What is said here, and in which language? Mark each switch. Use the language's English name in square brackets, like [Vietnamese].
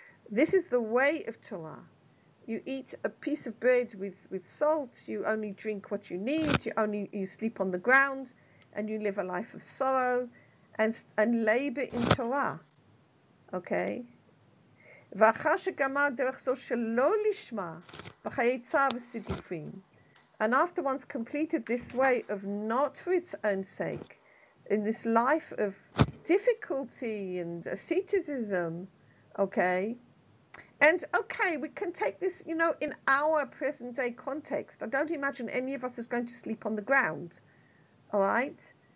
[English] This is the way of Torah. You eat a piece of bread with salt, you only drink what you need, you sleep on the ground, and you live a life of sorrow, and labor in Torah, okay? [Hebrew] ואחר שגמר דרך זו שלא לשמה בחייצה וסיגופים. [English] And after one's completed this way of not for its own sake, in this life of difficulty and asceticism, okay? And okay, we can take this, you know, in our present day context. I don't imagine any of us is going to sleep on the ground, all right?